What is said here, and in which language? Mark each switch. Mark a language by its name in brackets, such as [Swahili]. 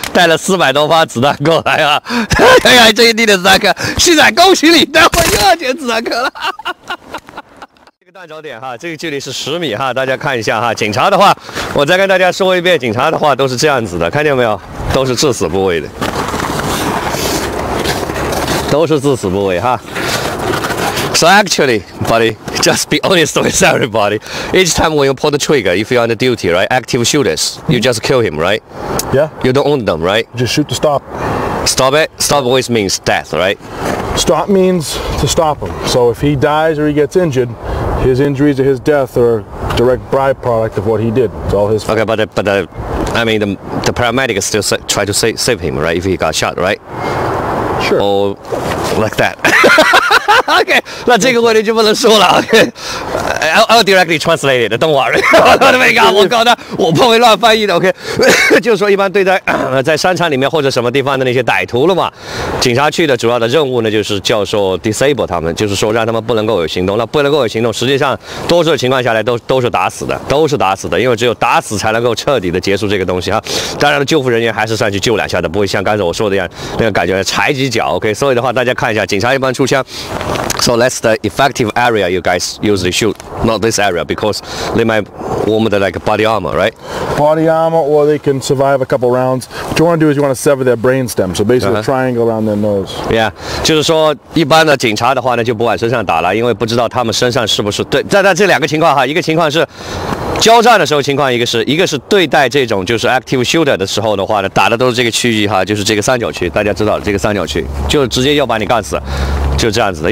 [Chinese] 带了400多发子弹过来啊！哎呀，这一地的子弹壳，旭仔恭喜你，待会又要捡子弹壳了。弹着点哈，这个距离是10米哈，大家看一下哈。警察的话，我再跟大家说一遍，警察的话都是这样子的，看见没有？都是致死部位的，都是致死部位哈。 [English] So actually, buddy, just be honest with everybody. Each time when you pull the trigger, if you're on the duty, right, active shooters, you just kill him, right? Yeah. You don't own them, right? Just shoot to stop. Stop it? Stop always means death, right? Stop means to stop him. So if he dies or he gets injured, his injuries or his death are direct byproduct of what he did. It's all his fault. Okay, but the paramedic is still try to save him, right, if he got shot, right? Sure. Or like that. [Chinese] OK， 那这个问题就不能说了。 [English] OK， I'll directly translate it. Don't worry. [Chinese] 我的妹啊，我搞的，我不会乱翻译的。OK， 就是说一般对待在商场里面或者什么地方的那些歹徒了嘛，警察去的主要的任务呢，就是叫说 disable 他们，就是说让他们不能够有行动。那不能够有行动，实际上多数的情况下来都是打死的，都是打死的，因为只有打死才能够彻底的结束这个东西哈。当然了，救护人员还是上去救两下的，不会像刚才我说的一样那个感觉踩几脚。 OK， 所以的话大家看一下，警察一般出枪。 [English] So that's the effective area you guys usually shoot, not this area because they might warm the like body armor, right? Body armor, or they can survive a couple rounds. What you want to do is you want to sever their brainstem, so basically a triangle around their nose. [Chinese] Yeah, 就是说一般的警察的话呢，就不往身上打了，因为不知道他们身上是不是对。但这两个情况哈，一个情况是。交战的时候情况，一个是对待这种就是 active shooter 的时候的话呢，打的都是这个区域哈，就是这个三角区，大家知道这个三角区就直接要把你干死，就这样子的。